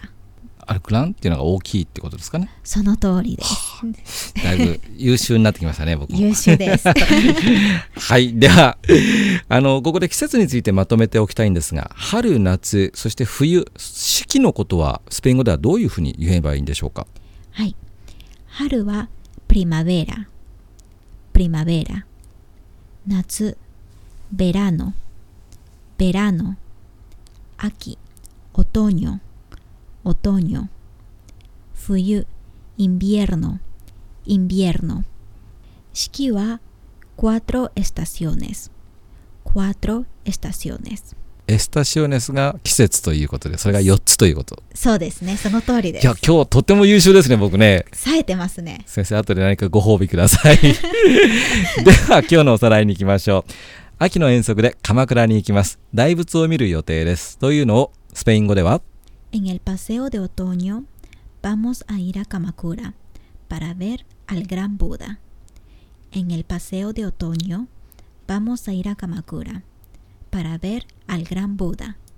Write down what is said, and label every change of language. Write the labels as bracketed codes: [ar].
[ja] ー、アルグランっていうのが大きいってことですかね。その通りです。だいぶ優秀になってきましたね。僕も優秀です。はい、ではここで季節についてまとめておきたいんですが、春夏そして冬、四季のことはスペイン語ではどういうふうに言えばいいんでしょうか？はい、春はprimavera, primavera, 夏 verano, verano, 秋 otoño, otoño, 冬 invierno, invierno. 四季は [es] cuatro estaciones, cuatro estaciones. [ja] エスタシオネスが季節ということで、それが4つということ。そうですね、その通りです。いや、今日とても優秀ですね。僕ね、冴えてますね。先生、後で何かご褒美ください。では今日のおさらいに行きましょう。秋の遠足で鎌倉に行きます、大仏を見る予定ですというのをスペイン語では [es] En el paseo de otoño vamos a ir a Kamakura para ver al gran Buda. En el paseo de otoño vamos a ir a Kamakura para ver al gran Buda.